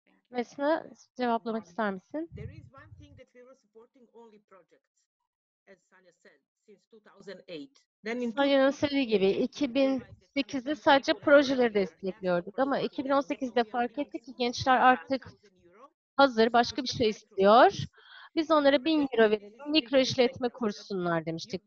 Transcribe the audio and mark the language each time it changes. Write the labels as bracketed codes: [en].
[tr] Mesela cevaplamak ister misin? [en] There is one thing that we were supporting only projects, as Sanya said, since 2008. [tr] Sanya'nın söylediği gibi 2008'de sadece projeleri destekliyorduk ama 2018'de fark ettik ki gençler artık hazır, başka bir şey istiyor. Biz onlara 1000 euro verip mikro işletme kursunlar demiştik.